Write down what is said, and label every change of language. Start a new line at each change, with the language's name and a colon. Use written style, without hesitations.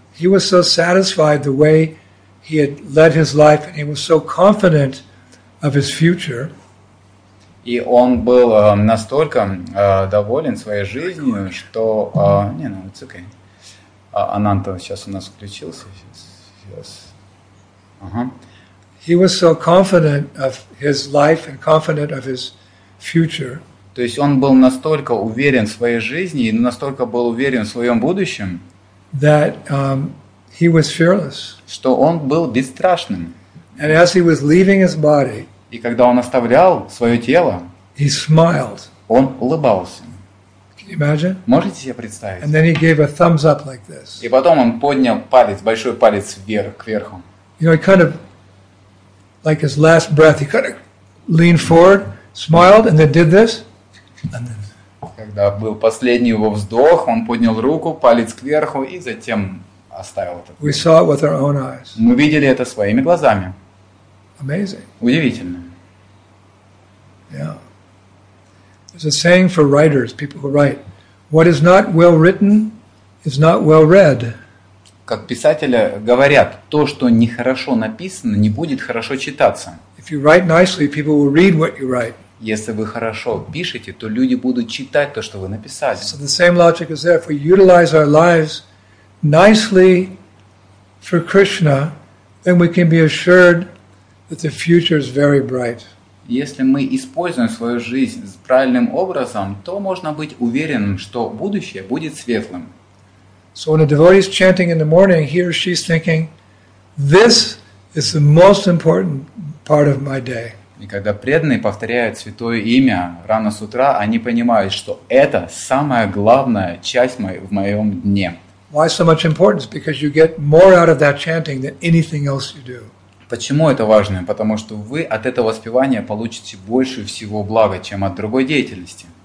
English: He was so satisfied the way he had led his life, and he was so confident of his future.
Russian: И он был настолько доволен своей жизнью, что... Не, ну,
English: it's okay.
Russian: Ананта сейчас у нас включился. Сейчас.
English: He was so confident of his life and confident of his future.
Russian: То есть он был настолько уверен в своей жизни и настолько был уверен в своем будущем.
English: that he was fearless.
Russian: Что он был бесстрашным.
English: And as he was leaving his body,
Russian: и когда он оставлял свое тело,
English: he smiled.
Russian: Он улыбался.
English: Imagine?
Russian: Можете себе представить?
English: And then he gave a thumbs up like this.
Russian: И потом он поднял палец, большой палец вверх, кверху.
English: You know, he kind of, like his last breath, he kind of leaned forward, smiled, and then did this. And then...
Russian: Когда был последний его вздох, он поднял руку, палец кверху, и затем оставил это.
English: We saw it with our own eyes.
Russian: Мы видели это своими глазами.
English: Amazing.
Russian: Удивительно.
English: Yeah. There's a saying for writers, people who write, what is not well written is not well read.
Russian: Как писатели говорят, то, что нехорошо написано, не будет хорошо читаться.
English: If you write nicely, people will read what you write.
Russian: Если вы хорошо пишете, то люди будут читать то, что вы написали.
English: So the same logic is there. If we utilize our lives nicely for Krishna, then we can be assured that the future is very bright.
Russian: Если мы используем свою жизнь правильным образом, то можно быть уверенным, что будущее будет светлым.
English: So when a devotee is chanting in the morning, he or she is thinking, this is the most important part of my day.
Russian: И когда преданные повторяют святое имя рано с утра, они понимают, что это самая главная часть в моем дне.
English: Why so much importance? Because you get more out of that chanting than anything else you do.
Russian: Почему это важно? Потому что вы от этого воспевания получите больше всего блага, чем от другой деятельности.